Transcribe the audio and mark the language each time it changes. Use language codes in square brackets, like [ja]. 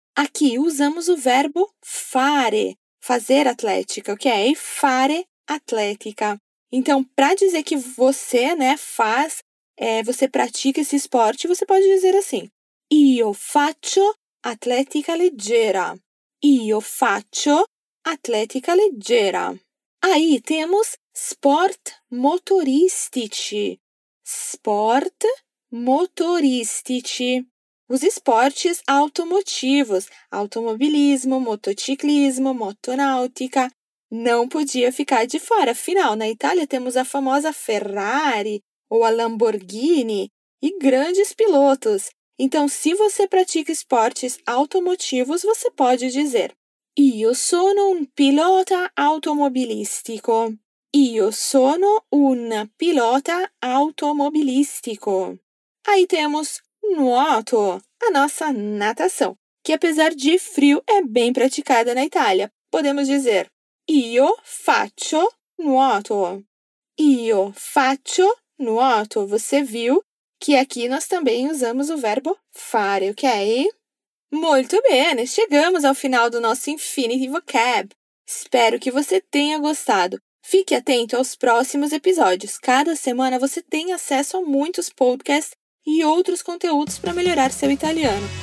[pt] Aqui usamos o verbo fare, fazer atlética, ok? Fare atlética. Então, para dizer que você, né, faz, você pratica esse esporte, você pode dizer assim: [it] io faccio atletica leggera. Io faccio atletica leggera. [pt] Aí temos sport motoristici. [it] Sport motoristici. [pt] Os esportes automotivos, automobilismo, motociclismo, motonáutica, não podia ficar de fora. Afinal, na Itália temos a famosa Ferrari ou a Lamborghini e grandes pilotos. Então, se você pratica esportes automotivos, você pode dizer: [it] io sono un pilota automobilistico. Io sono un pilota automobilistico. [pt] Aí temos Nuoto, a nossa natação, que apesar de frio é bem praticada na Itália. Podemos dizer, [it] io faccio nuoto. Io faccio nuoto. [pt] Você viu que aqui nós também usamos o verbo fare, ok? Muito bem, chegamos ao final do nosso Infinity Vocab. Espero que você tenha gostado. Fique atento aos próximos episódios. Cada semana você tem acesso a muitos podcasts e outros conteúdos para melhorar seu italiano.